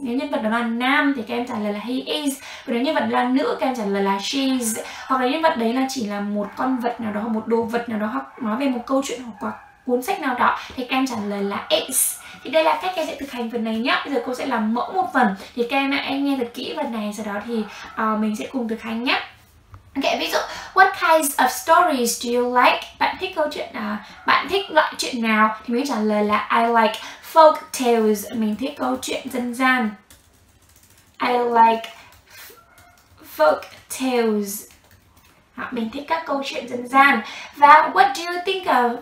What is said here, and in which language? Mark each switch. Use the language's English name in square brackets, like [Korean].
[Vietnamese] Nếu nhân vật đó là nam thì các em trả lời là he is. Và nếu nhân vật là nữ, các em trả lời là she's. Hoặc là nhân vật đấy là chỉ là một con vật nào đó, một đồ vật nào đó, hoặc nói về một câu chuyện hoặc cuốn sách nào đó thì các em trả lời là it's. Thì đây là cách các em sẽ thực hành phần này nhé. Bây giờ cô sẽ làm mẫu một phần thì các em hãy nghe thật kỹ phần này, sau đó thì mình sẽ cùng thực hành nhé. [English] Ok, [Vietnamese] ví dụ [English] what kinds of stories do you like? [Vietnamese] Bạn thích câu chuyện nào? Bạn thích loại chuyện nào? Thì mình trả lời là [English] I like folk tales. [Vietnamese] Mình thích câu chuyện dân gian. [English] I like folk tales. [Vietnamese] Mình thích các câu chuyện dân gian. Và [English] what do you think of?